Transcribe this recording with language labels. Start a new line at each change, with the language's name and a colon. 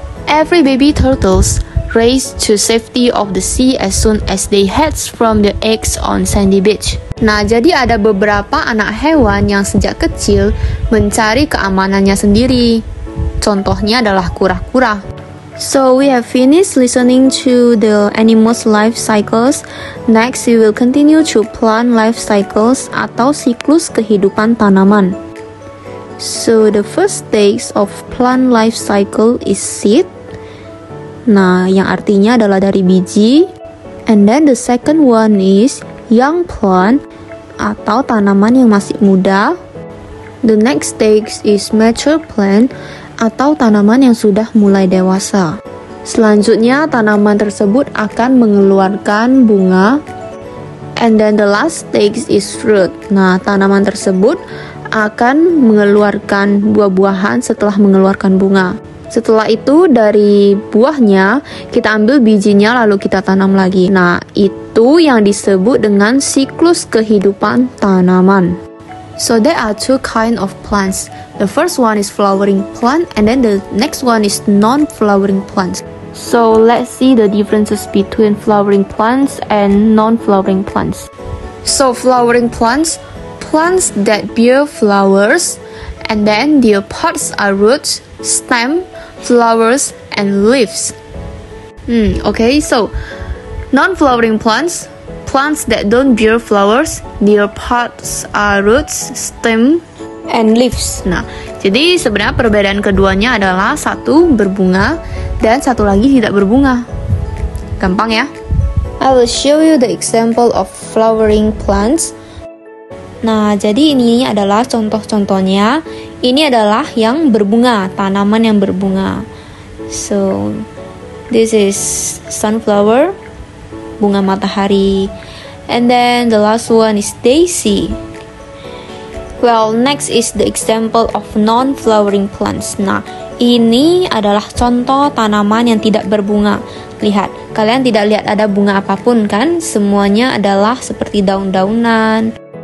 English: Every baby turtles race to safety of the sea as soon as they hatch from the eggs on sandy beach.
Indonesian: Nah, jadi ada beberapa anak hewan yang sejak kecil mencari keamanannya sendiri. Contohnya adalah kura-kura.
English: So we have finished listening to the animal's life cycles. Next, we will continue to plant life cycles,
Indonesian: atau siklus kehidupan tanaman.
English: So the first stage of plant life cycle is seed.
Indonesian: Nah, yang artinya adalah dari biji.
English: And then the second one is young plant,
Indonesian: atau tanaman yang masih muda.
English: The next stage is mature plant,
Indonesian: atau tanaman yang sudah mulai dewasa. Selanjutnya, tanaman tersebut akan mengeluarkan bunga.
English: And then the last stage is fruit.
Indonesian: Nah, tanaman tersebut akan mengeluarkan buah-buahan setelah mengeluarkan bunga. Setelah itu, dari buahnya, kita ambil bijinya lalu kita tanam lagi. Nah, itu yang disebut dengan siklus kehidupan tanaman.
English: So there are two kind of plants. The first one is flowering plant and then the next one is non-flowering plants. So let's see the differences between flowering plants and non-flowering plants. So flowering plants, plants that bear flowers and then their parts are roots, stem, flowers and leaves. Okay, so non-flowering plants, plants that don't bear flowers, their parts are roots, stem, and leaves.
Indonesian: Nah, jadi sebenarnya perbedaan keduanya adalah satu berbunga dan satu lagi tidak berbunga. Gampang ya?
English: I will show you the example of flowering plants.
Indonesian: Nah, jadi ini adalah contoh-contohnya. Ini adalah yang berbunga, tanaman yang berbunga.
English: So, this is sunflower,
Indonesian: bunga matahari.
English: And then the last one is daisy. Well, next is the example of non-flowering plants.
Indonesian: Nah, ini adalah contoh tanaman yang tidak berbunga. Lihat, kalian tidak lihat ada bunga apapun kan? Semuanya adalah seperti daun-daunan.